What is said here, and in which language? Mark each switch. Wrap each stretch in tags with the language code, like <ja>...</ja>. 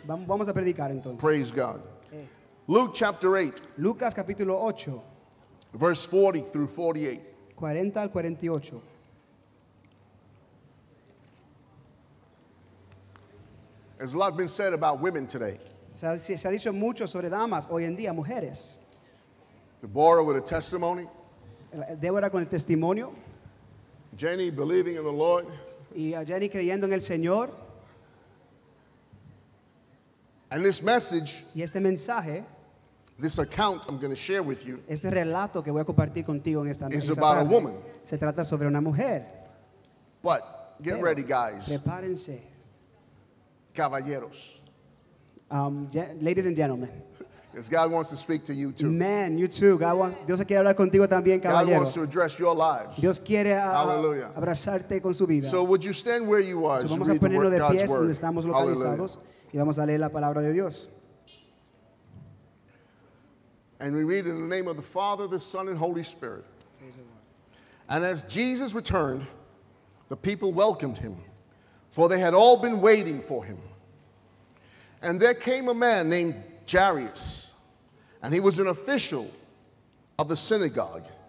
<es>Vamos a predicar entonces.</es> <en>Praise God. Luke chapter 8.</en> <es>Lucas capítulo 8.</es> <en>Verse 40 through 48.</en> <es>40 al 48.</es> <en>There's a lot been said about women today.</en> <es>Se ha dicho mucho sobre damas hoy en día, mujeres.</es> <en>Deborah with a testimony.</en> <es>Deborah con el testimonio.</es> <en>Jenny believing in the Lord.</en> <es>Y a Jenny creyendo en el Señor.</es> <en>And this message,</en> <es>y este mensaje,</es> <en>This account I'm going to share with you</en> <es>este relato que voy a compartir contigo en esta,</es> <en>is about a woman.</en> <es>Se trata sobre una mujer.</es> <en>But get</en> <es>Pero,</es> <en>ready, guys.</en> <es>Prepárense. Caballeros.</es> <en>Ladies and gentlemen. Because God wants to speak to you too. Man, you too. God wants.</en> <es>Dios quiere hablar contigo también, caballero.</es> <en>God wants to address your lives.</en> <es>Dios quiere abrazarte con su vida.</es> <en>So would you stand where you are?</en> <es>Vamos a ponernos de pie donde estamos localizados y vamos a leer la palabra de Dios.</es> <en>And we read in the name of the Father, the Son, and Holy Spirit. And as Jesus returned, the people welcomed him, for they had all been waiting for him. And there came a man named Jairus, and he was an official of the synagogue.</en>